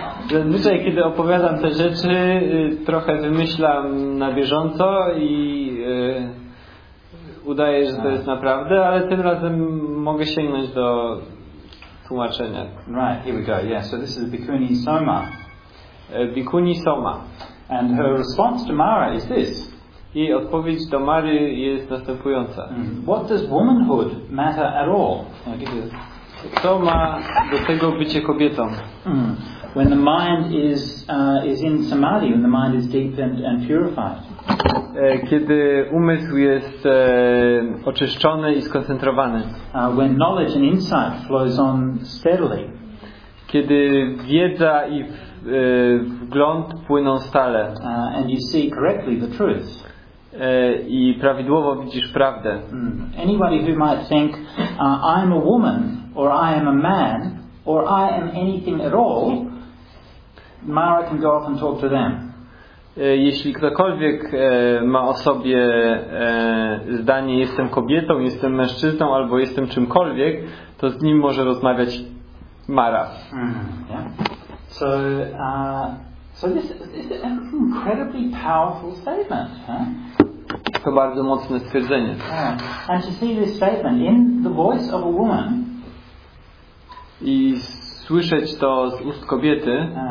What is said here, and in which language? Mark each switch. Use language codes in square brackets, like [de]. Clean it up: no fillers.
[pl] Zazwyczaj, kiedy opowiadam te rzeczy, trochę wymyślam na bieżąco i udaję, że to jest naprawdę, ale tym razem mogę sięgnąć do tłumaczenia. [en] Right, here we go. Yeah, so this is Bhikkhuni Soma. Bhikkhuni Soma. And her response to Mara is this. [pl] Jej odpowiedź do Mary jest następująca. [en] What does womanhood matter at all? [pl] Co ma do tego bycie kobietą? [en] When the mind is in samadhi, when the mind is deepened and purified. [pl] Kiedy umysł jest oczyszczony i skoncentrowany. [en] When knowledge and insight flows on steadily. [pl] Kiedy wiedza i wgląd płyną stale. [en] And you see correctly the truth. [pl] I prawidłowo widzisz prawdę. [en] Anybody who might think I am a woman, or I am a man, or I am anything at all, Mara can go off and talk to them. [pl] Jeśli ktokolwiek ma o sobie zdanie jestem kobietą, jestem mężczyzną albo jestem czymkolwiek, to z nim może rozmawiać Mara. [en] Yeah. So this is an incredibly powerful statement, huh? [pl] To bardzo mocne stwierdzenie. [en] Yeah. And to see this statement in the voice of a woman. [pl] I słyszeć to z ust kobiety,